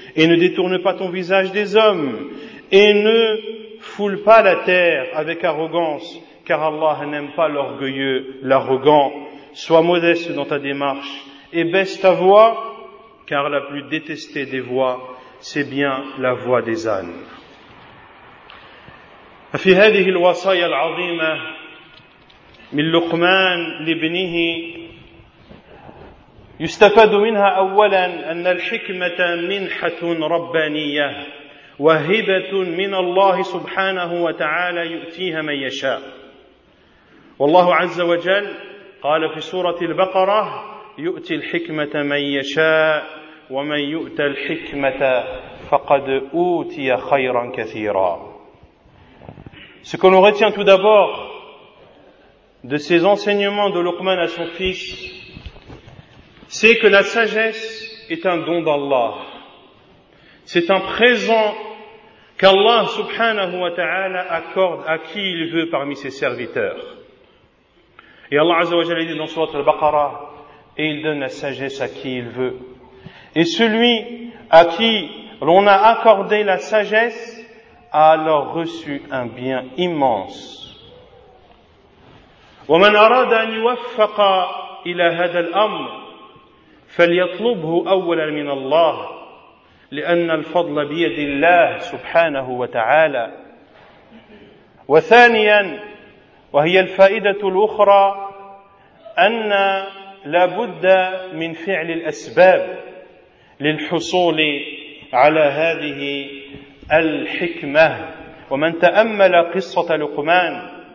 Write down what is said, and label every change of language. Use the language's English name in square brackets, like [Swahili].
[French] Et ne détourne pas ton visage des hommes. Et ne foule pas la terre avec arrogance, car Allah n'aime pas l'orgueilleux, l'arrogant. Sois modeste dans ta démarche et baisse ta voix, car la plus détestée des voix, c'est bien la voix des ânes. [Arabic] في هذه الوصايا العظيمة من لقمان لابنه يستفاد منها أولا أن الحكمة منحة ربانية وهبة من الله سبحانه وتعالى يؤتيها من يشاء. والله عز وجل قال في سورة البقرة: يؤتي الحكمة من يشاء ومن يؤت الحكمة فقد أوتي خيرا كثيرا. [French] Ce que l'on retient tout d'abord de ces enseignements de Luqman à son fils, c'est que la sagesse est un don d'Allah. C'est un présent qu'Allah subhanahu wa ta'ala accorde à qui il veut parmi ses serviteurs. Et Allah azza wa jalla dit dans sourate al-Baqarah, et il donne la sagesse à qui il veut. Et celui à qui l'on a accordé la sagesse, alors reçu un bien immense. [Arabic] وَمَنْ أَرَادَ أَنْ يُوَفَّقَ إِلَى هَذَا الْأَمْرِ فَلْيَطْلُبْهُ أَوَّلًا مِنَ اللَّهِ لِأَنَّ الْفَضْلَ بِيَدِ اللَّهِ سُبْحَانَهُ وَتَعَالَى وَثَانِيًا وَهِيَ الْفَائِدَةُ الْأُخْرَى أَنَّ لَابُدَّ مِنْ فِعْلِ الْأَسْبَابِ لِلْحُصُولِ عَلَى هَذِهِ الحكمة ومن تأمل قصة لقمان